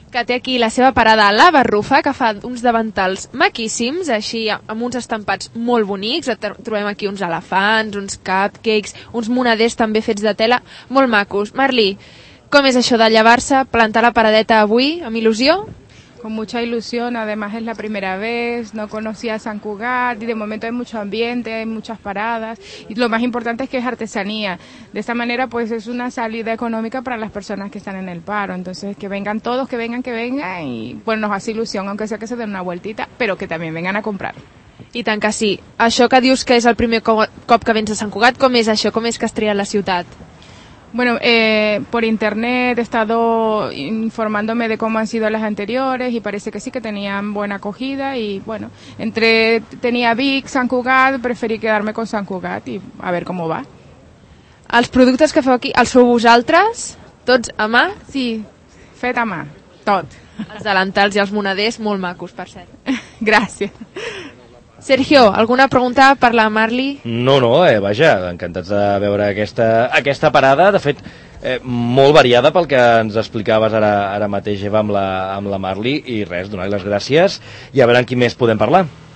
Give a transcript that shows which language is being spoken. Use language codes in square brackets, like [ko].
[ca] Que té aquí la seva parada, la Barrufa, que fa uns davantals maquíssims, així, amb uns estampats molt bonics. Trobem aquí uns elefants, uns cupcakes, uns moneders també fets de tela, molt macos. Marli, com és això de llevar-se, plantar la paradeta avui, amb il·lusió? [es] Con mucha ilusión, además es la primera vez, no conocía San Cugat y de momento hay mucho ambiente, hay muchas paradas y lo más importante es que es artesanía. De esta manera pues es una salida económica para las personas que están en el paro, entonces que vengan todos, que vengan y bueno, nos hace ilusión, aunque sea que se den una vueltita, pero que también vengan a comprar. [ca] I tant que sí. Això que dius que és el primer cop que vens a Sant Cugat, com és això? Com és que has triat la ciutat? [es] Bueno, por internet he estado informándome de cómo han sido las anteriores y parece que sí, que tenían buena acogida y bueno, tenía Vic, San Cugat, preferí quedarme con San Cugat y a ver cómo va. [ca] Els productes que feu aquí, els sou vosaltres? Tots a mà? Sí, fet a mà, tot. Els delantals i els moneders, molt macos, per cert. Gràcies. Sergio, alguna pregunta per la Marli? No, vaja, encantats de veure aquesta parada, de fet, molt variada pel que ens explicaves ara mateix, Eva, amb la Marli, i res, donar-li les gràcies, i a veure amb qui més podem parlar.